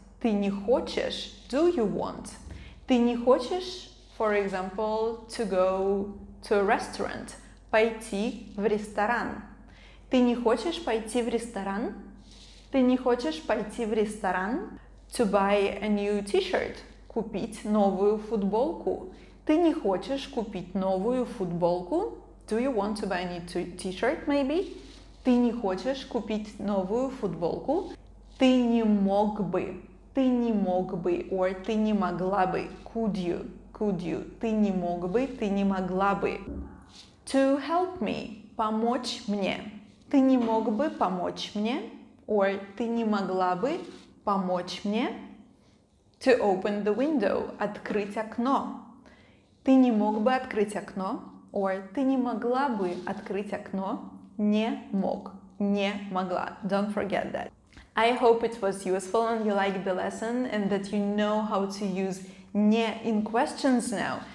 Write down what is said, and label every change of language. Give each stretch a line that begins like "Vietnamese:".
Russian: Ты не хочешь?
English: Do you want?
Russian: Ты не хочешь,
English: for example, to go to a restaurant?
Russian: Пойти в ресторан. Ты не хочешь пойти в ресторан? Ты не хочешь пойти в ресторан?
English: To buy a new t-shirt.
Russian: Купить новую футболку. Ты не хочешь купить новую футболку?
English: Do you want to buy a new t-shirt, maybe?
Russian: Ты не хочешь купить новую футболку? Ты не мог бы. Ты не мог бы. Or ты не могла бы.
English: Could you? Could you?
Russian: Ты не мог бы. Ты не могла бы.
English: To help me.
Russian: Помочь мне. Ты не мог бы помочь мне? Or ты не могла бы помочь мне?
English: To open the window.
Russian: Открыть окно. Ты не мог бы открыть окно? Or ты не могла бы открыть окно? Не мог. Не могла.
English: Don't forget that. I hope it was useful and you liked the lesson and that you know how to use не in questions now.